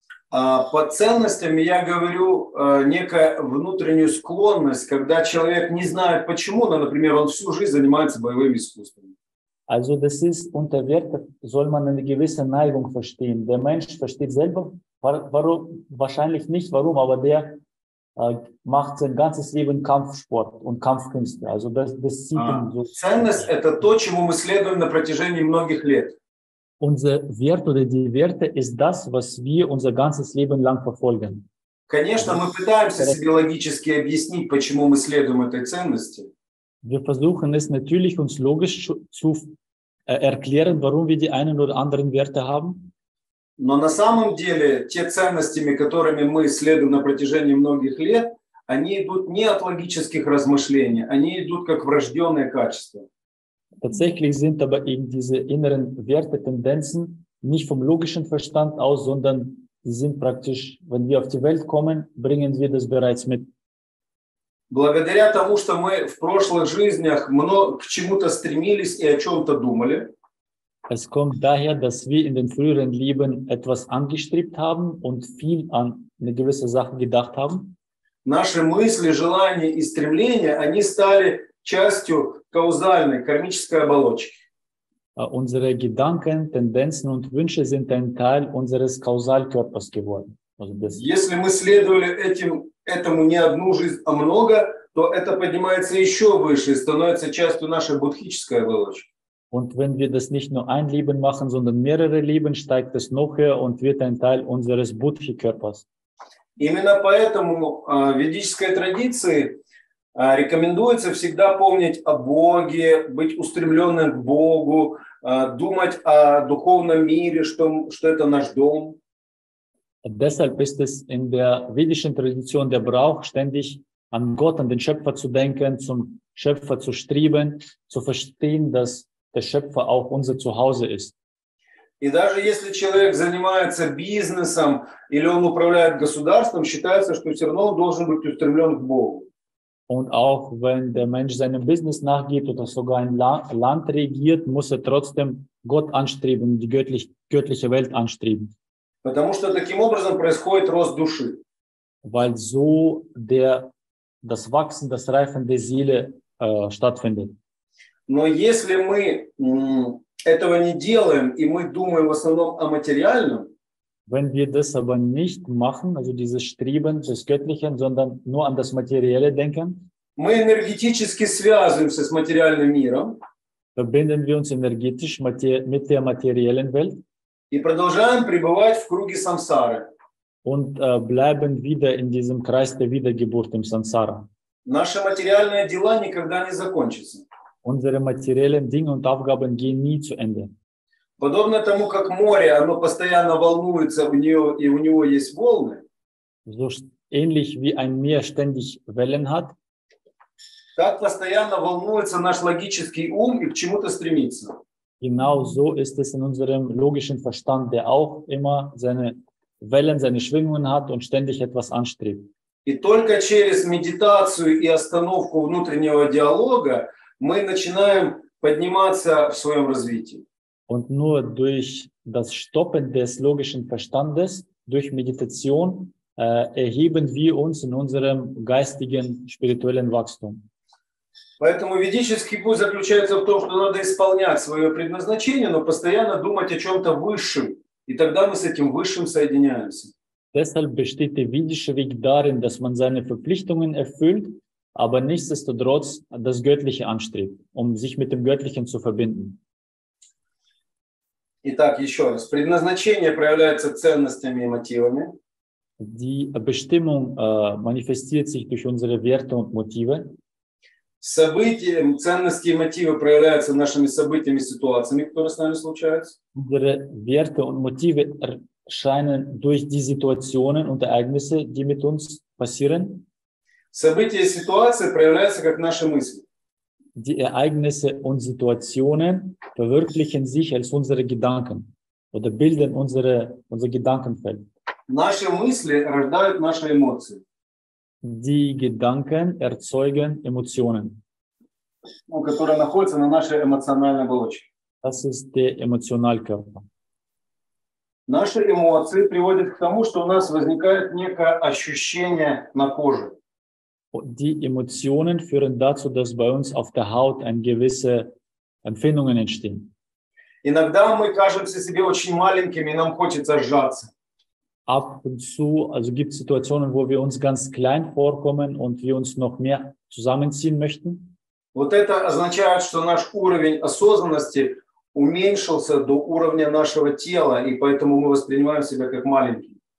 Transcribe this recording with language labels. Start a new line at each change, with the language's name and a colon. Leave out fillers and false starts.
Russian: Под ценностями я говорю некая внутреннюю склонность, когда человек не знает почему, но, например, он всю жизнь занимается боевыми искусствами.
German: Also das ist unter Werte soll man eine gewisse Neigung verstehen. Der Mensch versteht selber warum, wahrscheinlich nicht warum, aber der macht sein ganzes Leben Kampfsport und Kampfkünste. Also das sieht ihn so.
Russian: Ценность – это то, чему мы следуем на протяжении многих лет.
German: Unser Wert oder die Werte ist das, was wir unser ganzes Leben lang verfolgen.
Russian: Конечно, мы пытаемся себе логически объяснить, почему мы следуем этой ценности.
German: Wir versuchen es natürlich uns logisch zu erklären, warum wir die einen oder anderen Werte haben.
Russian: Но на самом деле, те ценностями, которыми мы следуем на протяжении многих лет, они идут не от логических размышлений, они идут как врожденные качества.
German: Tatsächlich sind aber eben diese inneren Wertetendenzen nicht vom logischen Verstand aus, sondern sie sind praktisch, wenn wir auf die Welt kommen, bringen wir das bereits mit.
Russian: Благодаря тому, что мы в прошлых жизнях к чему-то стремились и о чем-то думали.
German: Es kommt daher, dass wir in den früheren Leben etwas angestrebt haben und viel an eine gewisse Sache gedacht haben.
Russian: Наши мысли, желания и стремления, они стали частью каузальной, кармической оболочки.
German: Unsere Gedanken, Tendenzen und Wünsche sind ein Teil unseres Kausalkörpers geworden. Also das...
Russian: Если мы следовали этому не одну жизнь, а много, то это поднимается еще выше и становится частью нашей будхической оболочки.
German: Und wenn wir das nicht nur ein Leben machen, sondern mehrere Leben, steigt es noch höher und wird ein Teil unseres Buddhi-Körpers.
Russian: Именно поэтому в ведической традиции рекомендуется всегда помнить о Боге, быть устремленным к Богу, думать о духовном мире, что это наш дом.
German: Deshalb ist es in der ведischen Tradition der Brauch, ständig an Gott, an den Schöpfer zu denken, zum Schöpfer zu streben, zu verstehen, dass der Schöpfer auch unser Zuhause ist.
Russian: И даже если человек занимается бизнесом или он управляет государством, считается, что все равно должен быть устремлен к Богу.
German: Und auch wenn der Mensch seinem Business nachgeht oder sogar ein Land regiert, muss trotzdem Gott anstreben, die göttliche Welt anstreben.
Russian: Потому что таким образом происходит рост души.
German: Weil so das Wachsen, das Reifen der Seele stattfindet.
Russian: Но если мы этого не делаем и мы думаем в основном о материальном,
German: wenn wir das aber nicht machen, also dieses Streben des Göttlichen, sondern nur an das Materielle denken,
Russian: мы энергетически связываемся с материальным миром,
German: verbinden wir uns energetisch mit der materiellen Welt
Russian: и продолжаем пребывать в круге самсары
German: und bleiben wieder in diesem Kreis der Wiedergeburt im Samsara.
Russian: Наши материальные дела никогда не закончатся.
German: Unsere materiellen Dinge und Aufgaben gehen nie zu Ende.
Russian: Подобно тому, как море, оно постоянно волнуется, у него есть волны.
German: So ähnlich wie ein Meer ständig Wellen hat.
Russian: Так постоянно волнуется наш логический ум и к чему-то стремится.
German: Genau so ist es in unserem logischen Verstand, der auch immer seine Wellen, seine Schwingungen hat und ständig etwas anstrebt.
Russian: И только через медитацию и остановку внутреннего диалога мы начинаем подниматься в своем развитии.
German: Und nur durch das Stoppen des logischen Verstandes, durch Meditation, erheben wir uns in unserem geistigen, spirituellen Wachstum.
Russian: Поэтому ведический путь заключается в том, что надо исполнять свое предназначение, но постоянно думать о чем-то высшем, и тогда мы с этим высшим соединяемся.
German: Deshalb besteht der ведische Weg darin, dass man seine Verpflichtungen erfüllt, aber nichtsdestotrotz das Göttliche anstrebt, um sich mit dem Göttlichen zu verbinden.
Russian: Итак, еще раз. Предназначение проявляется ценностями и мотивами.
German: Die Bestimmung manifestiert sich durch unsere Werte und Motive.
Russian: События, ценности и мотивы проявляются нашими событиями и ситуациями, которые с нами случаются.
German: Unsere Werte und Motive scheinen durch die Situationen und Ereignisse, die mit uns passieren.
Russian: События и ситуации проявляются как наши мысли.
German: Die Ereignisse und Situationen verwirklichen sich als unsere Gedanken oder bilden unser Gedankenfeld.
Russian: Наши мысли рождают наши эмоции.
German: Die Gedanken erzeugen Emotionen.
Russian: Ну, которые находятся на нашей эмоциональной оболочке.
German: Das ist der Emotionalkörper.
Russian: Наши эмоции приводят к тому, что у нас возникает некое ощущение на коже.
German: Die Emotionen führen dazu, dass bei uns auf der Haut ein gewisse Empfindungen entstehen.
Russian: Иногда мы кажемся себе очень маленькими, и нам хочется сжаться.
German: Ab und zu, also gibt es Situationen, wo wir uns ganz klein vorkommen und wir uns noch mehr zusammenziehen möchten.
Russian: Вот это означает, что наш уровень осознанности уменьшился до уровня нашего тела, и поэтому мы воспринимаем себя как маленькие.